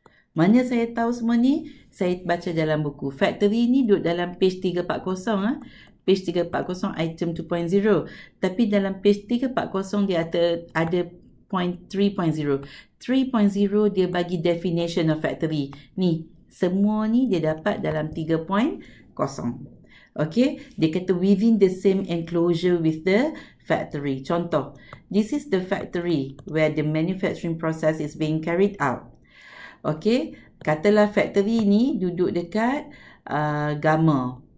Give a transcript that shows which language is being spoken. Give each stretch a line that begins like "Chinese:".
Malay: Mana saya tahu semua ni? Saya baca dalam buku. Factory ni duduk dalam page 340 ah. Page 340 item 2.0. Tapi dalam page 340 dia ada point 3.0.
English: 3.0
Malay: dia bagi
English: definition of factory.
Malay: Ni, semua ni dia dapat dalam 3.0.
English: Okay,
Malay: dia kata
English: within the same enclosure with the factory. Contoh, this is the factory where the manufacturing process is being carried out.
Malay: Okay, katalah factory ni duduk dekat Gama.